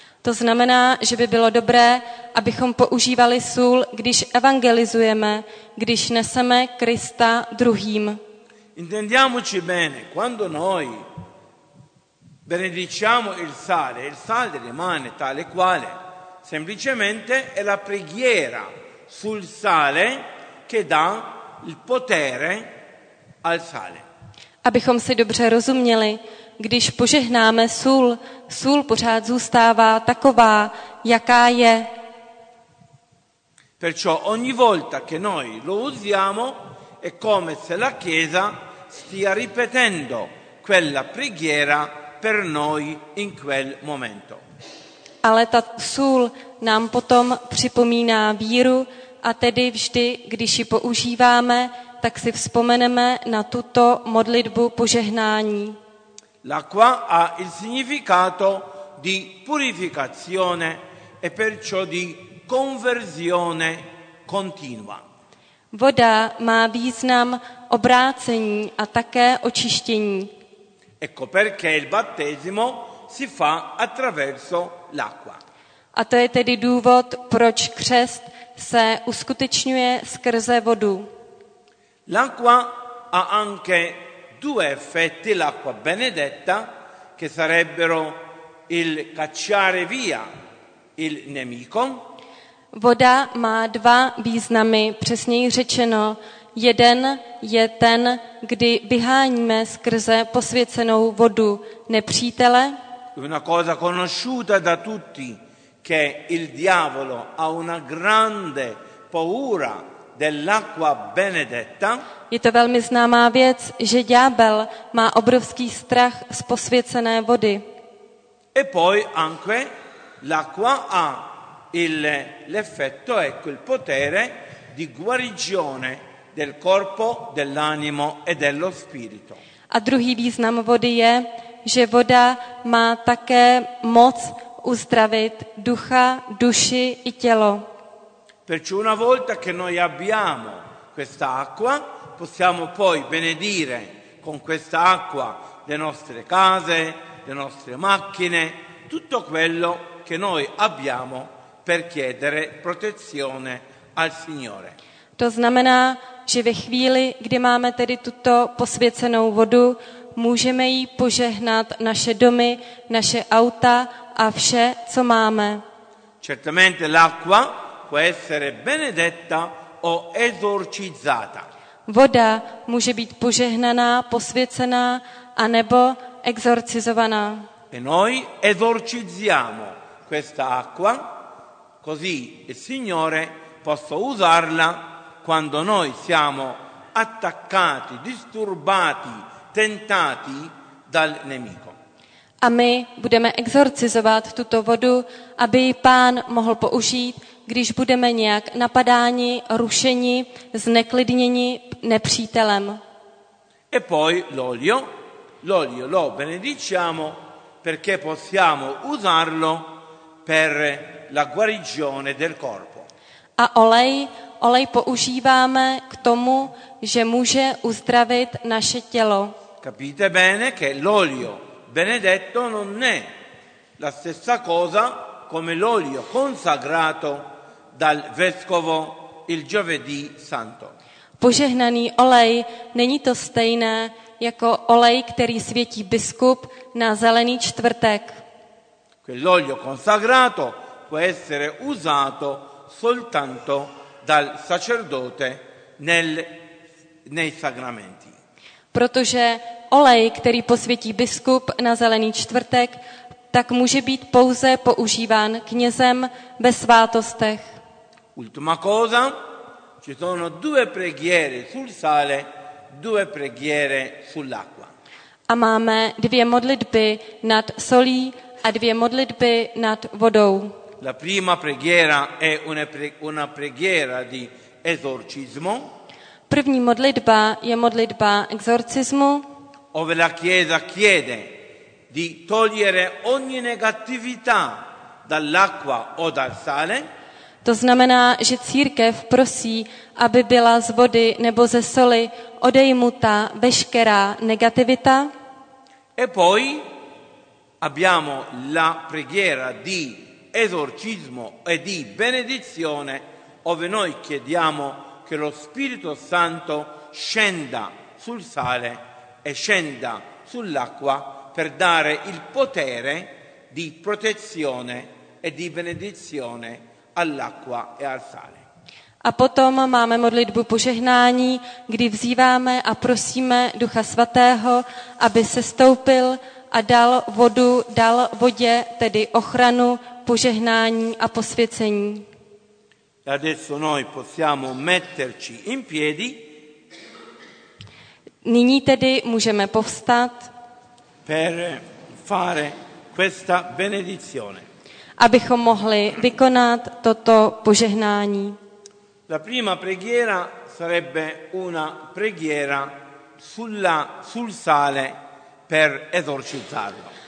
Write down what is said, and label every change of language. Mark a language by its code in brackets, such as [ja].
[cs] To znamená, že by bylo dobré, abychom používali sůl, když evangelizujeme, když neseme Krista druhým. [it] Intendiamoci bene, quando noi benediciamo il sale rimane tale quale, semplicemente è la preghiera sul sale che dà il potere al sale. [cs] Abychom si dobře rozuměli, když požehnáme sůl, sůl pořád zůstává taková, jaká je. [it] Perciò ogni volta che noi lo usiamo è come se la Chiesa stia ripetendo quella preghiera per noi in quel momento. [cs] Ale ta sůl nám potom připomíná víru, a tedy vždy, když ji používáme, tak si vzpomeneme na tuto modlitbu požehnání. [it] L'acqua ha il significato di purificazione e perciò di conversione continua. [cs] Voda má význam obrácení a také očištění. [it] Ecco perché il battesimo si fa attraverso l'acqua. [cs] A to je tedy důvod, proč křest se uskutečňuje skrze vodu. [it] L'acqua ha anche due effetti, l'acqua benedetta, che sarebbero il cacciare via il nemico. [cs] Voda má dva významy, přesněji řečeno, jeden je ten, kdy vyháníme skrze posvěcenou vodu nepřítele. [it] Una cosa conosciuta da tutti, che il diavolo ha una grande paura dell'acqua benedetta. [cs] Je to velmi známá věc, že ďábel má obrovský strach z posvěcené vody. [it] E poi anche l'acqua ha l'effetto, ecco, il potere di guarigione del corpo, dell'animo e dello spirito. [cs] A druhý význam vody je, že voda má také moc uzdravit ducha, duši i tělo. [it] Perciò una volta che noi abbiamo questa acqua, possiamo poi benedire con questa acqua le nostre case, le nostre macchine, tutto quello che noi abbiamo per chiedere protezione al Signore. [cs] To znamená, že ve chvíli, kdy máme tedy tuto posvěcenou vodu, můžeme jí požehnat naše domy, naše auta a vše, co máme. [it] Certamente l'acqua può essere benedetta o esorcizzata. [cs] Voda může být požehnaná, posvěcená a nebo exorcizovaná. [it] E noi esorcizziamo questa acqua così il Signore possa usarla quando noi siamo attaccati, disturbati, tentati dal nemico. [cs] A my budeme exorcizovat tuto vodu, aby ji Pán mohl použít, když budeme nějak napadáni, rušeni, zneklidněni nepřítelem. [it] E poi l'olio lo benediciamo perché possiamo usarlo per la guarigione del corpo. [cs] A olej používáme k tomu, že může uzdravit naše tělo. [it] Capite bene che l'olio benedetto non è la stessa cosa come l'olio consacrato dal vescovo il giovedì santo. [cs] Požehnaný olej není to stejné jako olej, který světí biskup na zelený čtvrtek. [it] Quell'olio consacrato può essere usato soltanto dal sacerdote nei sacramenti. [cs] Protože olej, který posvětí biskup na zelený čtvrtek, tak může být pouze používán knězem ve svátostech. [it] Ultima cosa, ci sono due preghiere sul sale, due preghiere sull'acqua. [cs] A máme dvě modlitby nad solí a dvě modlitby nad vodou. [it] La prima preghiera è una preghiera di esorcismo. [cs] První modlitba je modlitba exorcismu. [it] Ove la chiesa chiede di togliere ogni negatività dall'acqua o dal sale. [cs] To znamená, že církev prosí, aby byla z vody nebo ze soli odejmuta veškerá negativita. [it] E poi abbiamo la preghiera di esorcismo e di benedizione, ove noi chiediamo che lo Spirito Santo scenda sul sale e scenda sull'acqua per dare il potere di protezione e di benedizione all'acqua e al sale. [cs] A potom máme modlitbu požehnání, kdy vzýváme a prosíme Ducha Svatého, aby sestoupil a dal vodu, dal vodě, tedy ochranu, požehnání a posvěcení. [it] Adesso noi possiamo metterci in piedi. [cs] Nyní tedy můžeme povstat. [it] Per fare questa benedizione. [cs] Abychom mohli vykonat toto požehnání. [it] La prima preghiera sarebbe una preghiera sul sale per esorcizzarlo.